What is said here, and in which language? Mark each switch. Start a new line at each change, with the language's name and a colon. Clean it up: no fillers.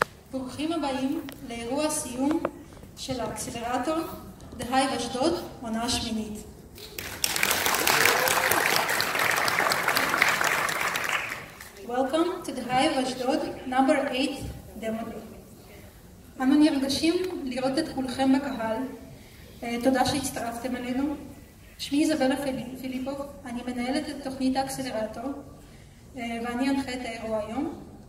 Hebrew: ברוכים הבאים לאירוע סיום של האקסלרטור דהי אשדוד עונה שמינית.
English: Welcome to the Hive Ashdod number 8 demo day.
Hebrew: אנו נרגשים לראות את כולכם בקהל. תודה שהצטרפתם אלינו. שמי איזבלה פיליפוב, אני מנהלת את תוכנית האקסלרטור, ואני אנחה את האירוע היום.